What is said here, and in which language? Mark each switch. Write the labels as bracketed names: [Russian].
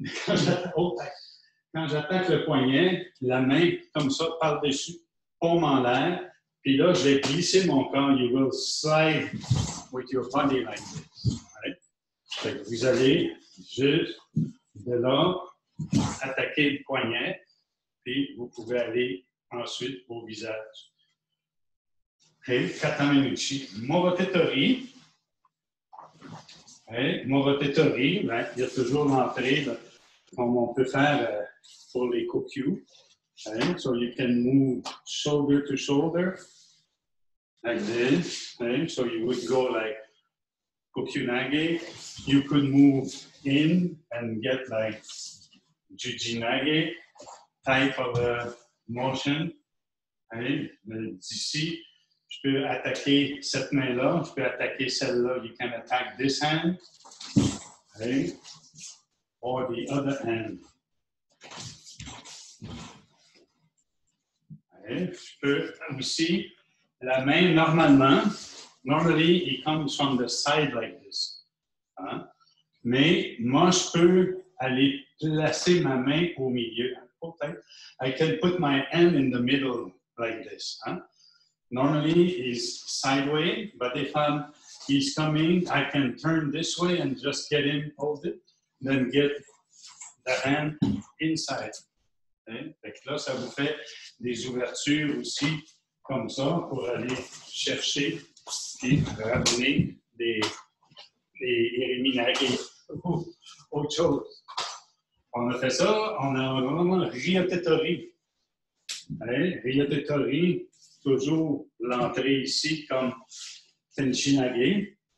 [French] Quand j'attaque le poignet, la main comme ça par-dessus, paume en l'air, puis là, je vais glisser mon corps. [English] You will slide with your body like this. Right? [French] Fait que vous allez juste de là attaquer le poignet, puis vous pouvez aller ensuite au visage. Okay? Kataminuchi. Morotetori. Hey, Morotetori, ben, il y a toujours l'entrée là, comme on peut faire pour les Kokyu. [English] Hey, so you can move shoulder to shoulder like this. Hey, so you would go like Kokyunage. You could move in and get like Jujinage type of a motion. [French] Hey, ben, d'ici, je peux attaquer cette main-là, je peux attaquer celle-là. [English] You can attack this hand. Okay. Or the other hand. Okay. [French] Je peux aussi, la main normalement, [English] normally it comes from the side like this. Hein? [French] Mais moi, je peux aller placer ma main au milieu. [English] Okay. I can put my hand in the middle like this. Hein? Normally it's sideways, but if I'm he's coming, I can turn this way and just get him, hold it, then get the hand inside. Okay? [French] Fait que là, ça vous fait des ouvertures aussi, comme ça, pour aller chercher et ramener des et Rémi Nagy ou autre chose. On a fait ça, on a vraiment Riotetori, toujours l'entrée ici comme Tenshi Nagy.